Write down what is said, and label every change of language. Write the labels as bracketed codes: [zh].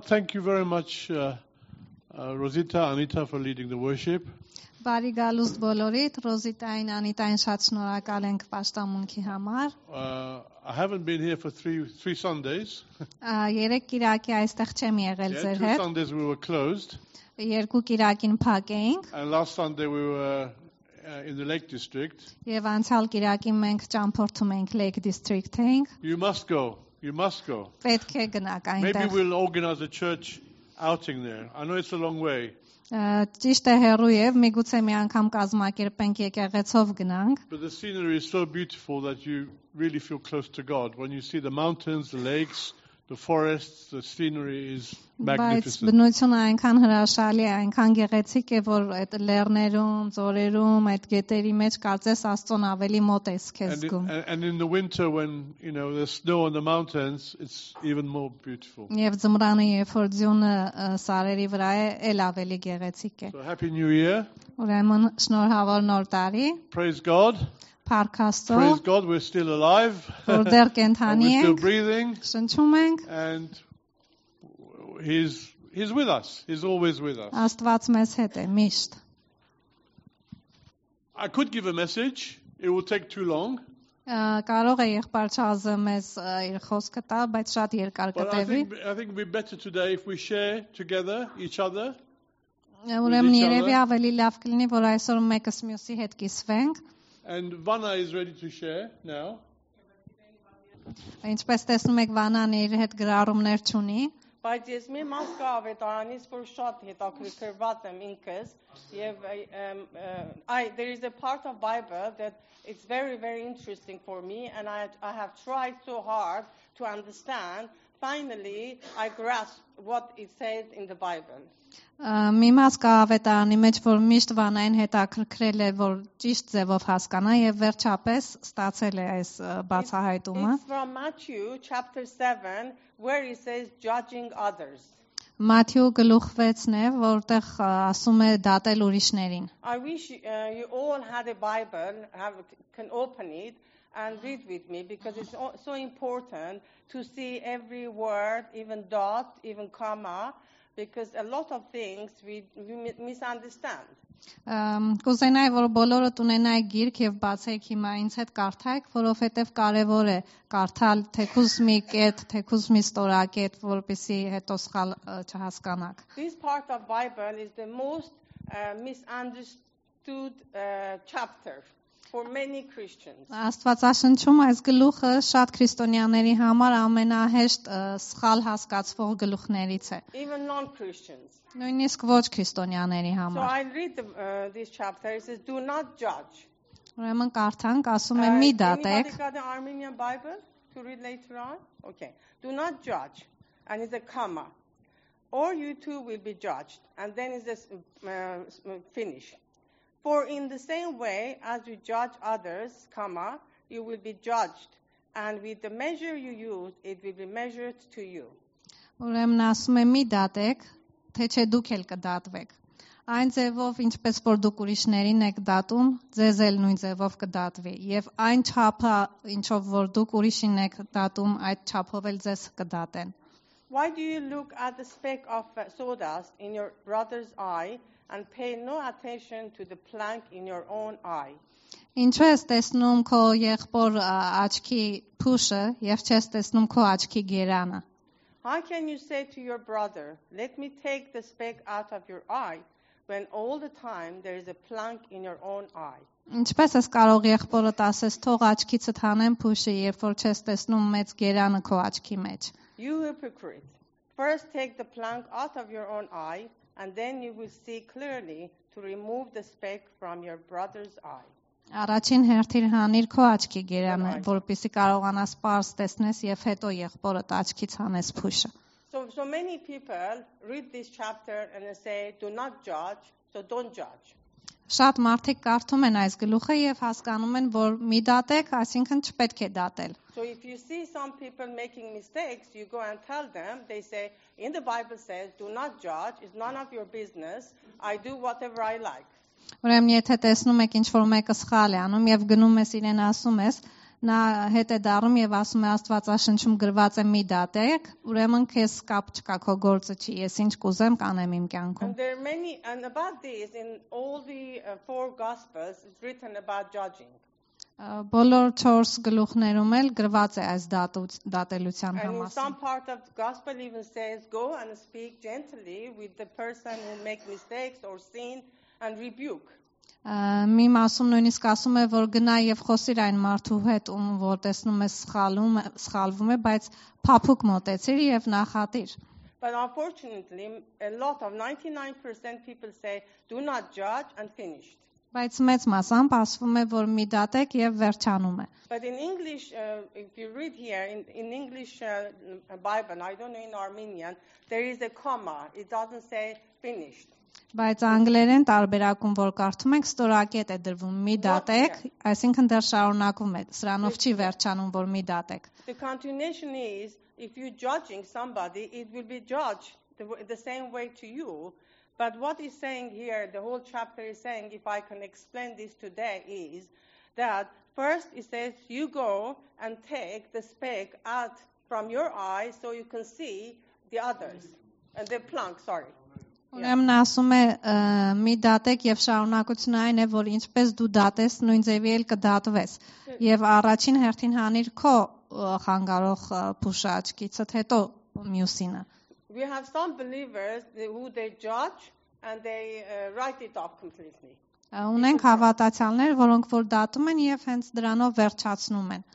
[en] Thank you very much, Rosita, Anita, for leading the worship. [hy] Բարի գալուստ բոլորիդ, Ռոզիտային, Անիտային շատ շնորհակալ ենք պաշտամունքի համար. [en] I haven't been here for three Sundays. [hy] Երեք կիրակի այստեղ չեմ եղել ձեր հետ. [en] Two Sundays we were closed. [hy] Երկու կիրակին փակ էինք. [en] And last Sunday we were in the Lake District. [hy] Եվ անցյալ կիրակի մենք ճամփորդում ենք Lake District էինք. [en] You must go. You must go. Maybe we'll organize a church outing there. I know it's a long way. [hy] Ճիշտ է հերույ է, միգուցե մի անգամ կազմակերպենք եկեղեցով գնանք. [en] But the scenery is so beautiful that you really feel close to God. When you see the mountains, the lakes, the forests, the scenery is magnificent. [hy] Բայց բնությունը այնքան հրաշալի է, այնքան գեղեցիկ է, որ այդ լեռներում, ծորերում, այդ գետերի մեջ կարծես Աստծուն ավելի մոտ է քեզ զգում. [en] And in the winter when, you know, there's snow on the mountains, it's even more beautiful. [hy] Եվ ձմռանը, երբ որ ձյունը սարերի վրա է, էլ ավելի գեղեցիկ է. [en] So happy new year. [hy] Ուրեմն շնորհավոր նոր տարի. [en] Praise God. [hy] Parkasto. [en] Praise God, we're still alive. And we're still breathing. And he's with us. He's always with us. [hy] Աստված մեզ հետ է, միշտ. [en] I could give a message. It will take too long. [hy] Կարող է եղբայր ճազը մեզ իր խոսքը տա, բայց շատ երկար կտևի. [en] I think it would be better today if we share together each other. [hy] Ուրեմն երևի ավելի լավ կլինի, որ այսօր մեկս մյուսի հետ կիսվենք. [en] And Vanna is ready to share now. [hy] Ինչպես տեսնում եք, Վանան իր հետ գրառումներ ունի։ Բայց ես մի մաս կա վետարանից, որ շատ հետաքրքրված եմ ինքս, եւ [en] there is a part of Bible that it's very very interesting for me and I have tried so hard to understand. Finally, I grasp what it says in the Bible. [hy] Մի մաս կա ավետարանի մեջ, որ միշտ Վանային հետաքրքրել է, որ ճիշտ ձևով հասկանա, եւ վերջապես ստացել է այս բացահայտումը. [en] It's from Matthew chapter 7 where he says judging others. [hy] Մատթեո գլուխ 6-ն է, որտեղ ասում է դատել ուրիշներին. [en] I wish you all had a Bible, can open it. And read with me because it's so important to see every word, even dot, even comma, because a lot of things we misunderstand. [hy] Կուզենայի, որ բոլորդ ունենայի գիրք եւ բացեք հիմա ինձ հետ կարդայք, որովհետեւ կարեւոր է կարդալ թեկուզ մի կետ, թեկուզ մի ստորակետ, որպեսզի հետո սխալ չհասկանաք. [en] This part of Bible is the most misunderstood chapter. For many Christians. [hy] Աստվածաշնչում այս գլուխը շատ քրիստոնյաների համար ամենահեշտ սխալ հասկացվող գլուխներից է։ [en] Even non-Christians. [hy] Նույնիսկ ոչ քրիստոնյաների համար։ [en] So I read this chapter. It says, "Do not judge." [hy] Ուրեմն կարդանք, ասում է՝ մի դատեք։ [en] Anybody got the Armenian Bible to read later on? Okay. Do not judge. And it's a comma. Or you too will be judged. And then it's just finish. For in the same way as you judge others, comma, you will be judged, and with the measure you use, it will be measured to you. [hy] Ուրեմն ասում եմ՝ մի դատեք, թե չէ դուք էլ կդատվեք։ Այն ձևով, ինչպես որ դուք ուրիշներին եք դատում, ձեզ էլ նույն ձևով կդատվի, եւ այն չափը, ինչով որ դուք ուրիշին եք դատում, այդ չափով էլ ձեզ կդատեն։ [en] Why do you look at the speck of sawdust in your brother's eye and pay no attention to the plank in your own eye? [hy] Ինչու ես տեսնում քո եղբոր աչքի փուշը եւ չես տեսնում քո աչքի գերանը? [en] How can you say to your brother, let me take the speck out of your eye, when all the time there is a plank in your own eye? [hy] Ինչպես ես կարող եղբորդ ասես, թող աչքիցդ հանեմ փուշը, երբ որ չես տեսնում մեծ գերանը քո աչքի մեջ? [en] You hypocrite, first take the plank out of your own eye, and then you will see clearly to remove the speck from your brother's eye. [hy] Առաջին հերթին հանիր քո աչքի գերանը, որպեսզի կարողանաս պարզ տեսնես եւ հետո եղբորդ աչքից հանես փուշը. [en] So many people read this chapter and they say, do not judge, so don't judge. [hy] Շատ մարդիկ կարդում են այս գլուխը եւ հասկանում են, որ մի դատեք, այսինքն չպետք է դատել։ [en] So if you see some people making mistakes, you go and tell them, they say, in the Bible says, do not judge, it's none of your business, I do whatever I like. [hy] Ուրեմն եթե տեսնում եք ինչ-որ մեկը սխալ է անում եւ գնում ես իրեն ասում ես, նա հետ է դառնում եւ ասում է Աստվածաշնչում գրված է մի դատեք, ուրեմն քեզ կապ չկա քո գործը չի, ես ինչ կուզեմ կանեմ իմ կյանքում. [en] And there are many, and about this in all the four gospels is written about judging. [hy] Բոլոր 4 գլուխներում էլ գրված է այս դատելության համար. [en] And some part of the gospel even says go and speak gently with the person who make mistakes or sin and rebuke. [hy] Մի մասում նույնիսկ ասում է, որ գնա եւ խոսիր այն մարդու հետ, ում որ տեսնում ես սխալում, սխալվում է, բայց փափուկ մոտեցիր եւ նախատիր։ [en] But unfortunately, a lot of 99% people say, do not judge and finished. [hy] Բայց մեծ մասամբ ասվում է, որ մի դատեք եւ վերջանում է. [en] But in English, if you read here, in English Bible, I don't know in Armenian, there is a comma. It doesn't say finished. [hy] Բայց անգլերեն տարբերակում, որ կարդում ենք, ստորակետ է դրվում, մի դատեք, այսինքն դեռ շարունակում է, սրանով չի վերջանում, որ մի դատեք. [en] The continuation is, if you're judging somebody, it will be judged the same way to you. But what he's saying here, the whole chapter is saying, if I can explain this today, is that first he says, you go and take the speck out from your eye so you can see the others. And the plank, sorry. [hy] Ուրեմն ասում է մի դատեք եւ շարունակությունը այն է որ ինչպես դու դատես նույն ձեւի էլ կդատվես եւ առաջին հերթին հանիր քո խանգարող փուշաճկիցդ հետո մյուսինը [en] We have some believers who they judge and they write it off completely. [hy] Ունենք հավատացյալներ որոնք որ դատում են եւ հենց դրանով վերջացնում են.